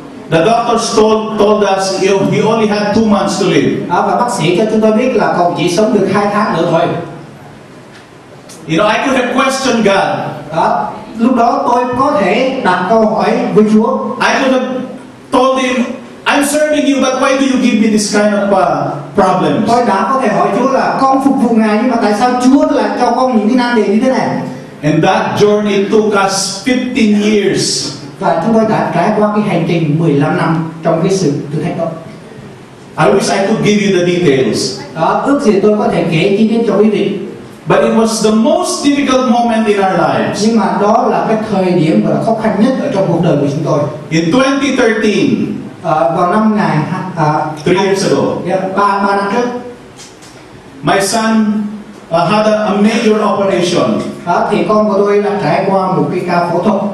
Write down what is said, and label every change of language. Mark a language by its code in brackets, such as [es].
[en] The doctors told us he only had 2 months to live. [vi] Và bác sĩ cho chúng tôi biết là còn chỉ sống được 2 tháng nữa thôi. [en] You know, I could have questioned God. [vi] Lúc đó tôi có thể đặt câu hỏi với Chúa. [en] I could have told him, I'm serving you, but why do you give me this kind of problems? [vi] Tôi đã có thể hỏi Chúa là con phục vụ Ngài nhưng mà tại sao Chúa lại cho con những cái nan đề như thế này? [en] And that journey took us 15 years. [vi] Và chúng tôi đã trải qua cái hành trình 15 năm trong cái sự thử thách đó. [en] I wish I could give you the details. [vi] Ước gì tôi có thể kể chi tiết cho quý vị. [en] But it was the most difficult moment in our lives. [vi] Nhưng mà đó là cái thời điểm và khó khăn nhất ở trong cuộc đời của chúng tôi. [en] In 2013, [vi] vào năm ngày [en] 3 years ago, [vi] ba năm trước, [en] my son had a major operation. [vi] Thì con của tôi đã trải qua một cái ca phẫu thuật.